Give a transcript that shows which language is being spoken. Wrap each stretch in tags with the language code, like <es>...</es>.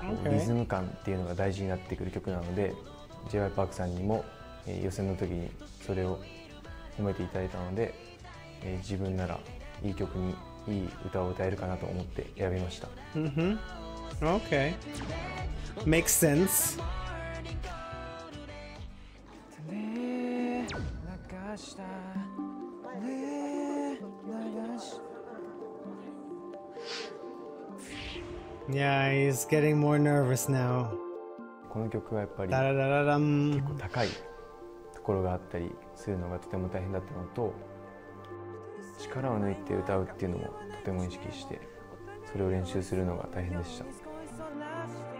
<ja>リズム感っていうのが大事になってくる曲なので、 JYPARK さんにも予選の時にそれを褒めていただいたので、自分ならいい曲にいい歌を歌えるかなと思って選びました。</ja> <en>OK Makes senseYeah, he's getting more nervous now.</en> <ja>この曲はやっぱり結構高いところがあったりするのがとても大変だったのと、力を抜いて歌うっていうのもとても意識して、それを練習するのが大変でした。</ja>